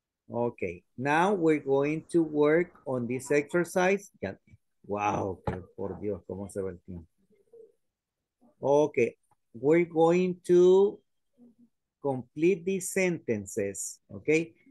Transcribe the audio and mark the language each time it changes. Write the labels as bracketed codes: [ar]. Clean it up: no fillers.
[en] Ok, now we're going to work on this exercise. [es] Wow, por Dios, cómo se ve el tiempo. [en] Okay, we're going to complete these sentences, okay?